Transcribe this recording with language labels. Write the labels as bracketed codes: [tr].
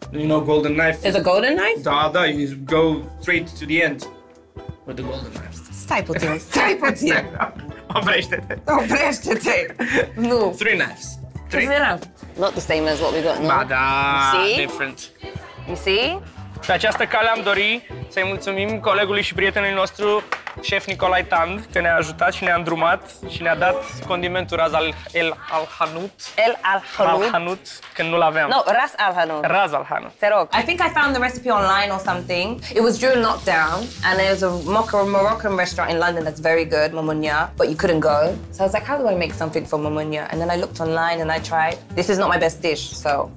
[en] You know golden knife. There's a golden knife? Da, you go straight to the end with the golden knife. [ro] Stai puțin. Oprește-te. Nu. [en] Three knives. Three. Not the same as what we got, no? [ro] Ba da, [en] you see? Different. You see? [ro] Pe această cale am dorit să-i mulțumim colegului și prietenului nostru, șef Nicolae Tand, că ne-a ajutat și ne-a îndrumat și ne-a dat condimentul Ras al-Hanout. El al-Hanout. Când nu-l aveam. [en] No, Ras al-Hanout. Ras al-Hanout. [ro] Te rog. [en] I think I found the recipe online or something. It was during lockdown and there was a Moroccan restaurant in London that's very good, Mamounia, but you couldn't go. So I was like, how do I make something for Mamounia? And then I looked online and I tried. This is not my best dish, so...